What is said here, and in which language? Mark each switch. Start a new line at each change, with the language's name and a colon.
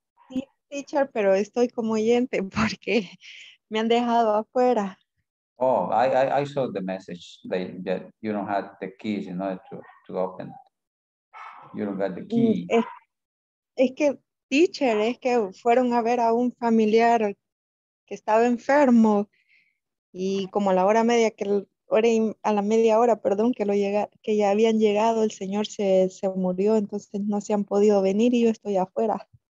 Spanish: Sí, teacher, pero estoy como oyente porque me han dejado afuera.
English: Oh, I saw the message that you don't have the keys in order to open. You don't got the key.
Spanish: Es que, teacher, es que fueron a ver a un familiar que estaba enfermo y como a la hora media que hora y, a la media hora, perdón, que lo llega, que ya habían llegado, el señor se murió, entonces no se han podido venir y yo estoy afuera.